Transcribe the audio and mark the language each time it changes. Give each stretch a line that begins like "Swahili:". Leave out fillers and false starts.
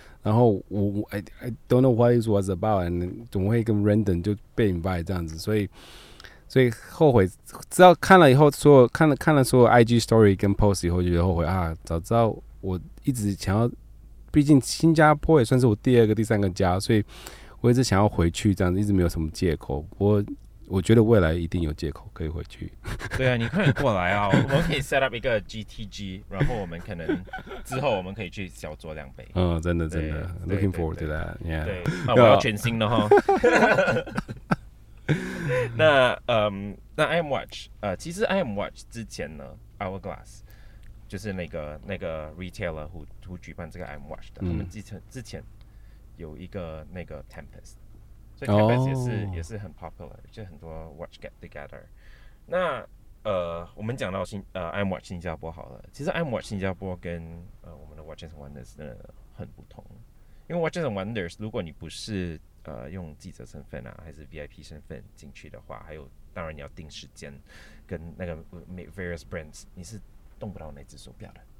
Chinese: 然后我 I don't know what it was about， and 怎么会跟 Random 就被 invite 这样子，所以后悔，知道看了以后说看了说 IG story 跟 post 以后就觉得后悔啊，早知道我一直想要，毕竟新加坡也算是我第二个第三个家，所以我一直想要回去这样子，一直没有什么借口。我觉得未来一定有借口可以回去。对啊，你快点过来啊！我们可以 set up 一个 GTG， 然后我们可能之后我们可以去小酌两杯。
English: 嗯，真的真的，looking forward to that。 Yeah，
Chinese: 对，那我要全新的哈。那那 I am watch， 其实 I am watch 之前呢 ，Hourglass 就是那个 retailer who 举办这个 I am watch 的，他们之前有一个那个 Tempest。所以 Tempest 也是很 popular， 就很多 watch get together。那我们讲到iMWatch 新加坡好了，其实 iMWatch 新加坡跟我们的 Watches and Wonders 真的很不同。因为 Watches and Wonders， 如果你不是用记者身份啊，还是 VIP 身份进去的话，还有当然你要定时间跟那个 various brands，你是动不到那只手表的。